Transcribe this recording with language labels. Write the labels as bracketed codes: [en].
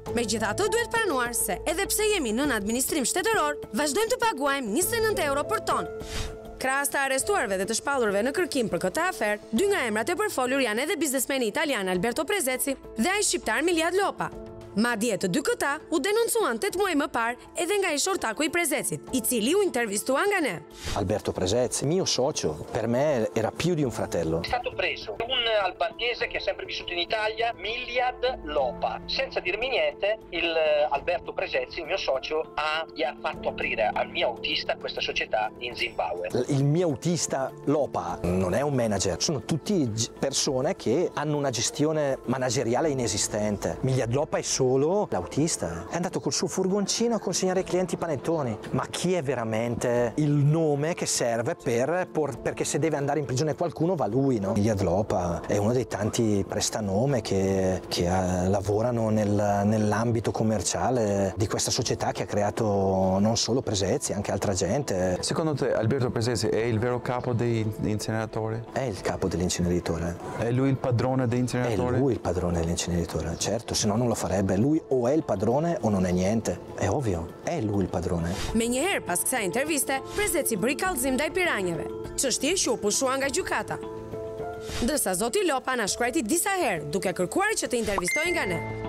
[sq] Megjithatë, duhet pranuar se edhe pse jemi nën administrim shtetëror, vazhdojmë të paguajmë 29 euro për tonë. Krahas të arrestuarve dhe të shpallurve në kërkim për këtë aferë, dy nga emrat e përfolur janë edhe biznesmeni italian Alberto Prezeci dhe ai shqiptar Miljad Lopa. Madje të dy këta u denoncuan 8 muaj më parë edhe nga ishortaku i Prezecit, i cili u intervistua nga ne. [it] Alberto Prezeci, mio socio, per me era più di un fratello. È stato preso un albanese che ha sempre vissuto in Italia, Miljad Lopa. Senza dirmi niente, il Alberto Prezeci, il mio socio, gli ha fatto aprire al mio autista questa società in Zimbabwe. Il mio autista Lopa non è un manager, sono tutti persone che hanno una gestione manageriale inesistente. Miljad Lopa è solo l'autista. È andato col suo furgoncino a consegnare ai clienti i panettoni. Ma chi è veramente il nome che serve perché se deve andare in prigione qualcuno va lui, no? Miljad Lopa è uno dei tanti prestanome che lavorano nell'ambito commerciale di questa società che ha creato non solo Prezeci, anche altra gente. Secondo te Alberto Prezeci è il vero capo dell'inceneritore? È il capo dell'inceneritore. È lui il padrone dell'inceneritore? È lui il padrone dell'inceneritore, certo, se no non lo farebbe. Lui o è il padrone o non è niente. È ovvio, è lui il padrone. [sq] Me njëherë pas kësaj interviste, Prezeci bëri kallëzim ndaj piranjeve, çështje që u pushua nga gjykata. Ndërsa Zoti Lopa na shkruajti disa herë duke kërkuar që të intervistojnë nga ne.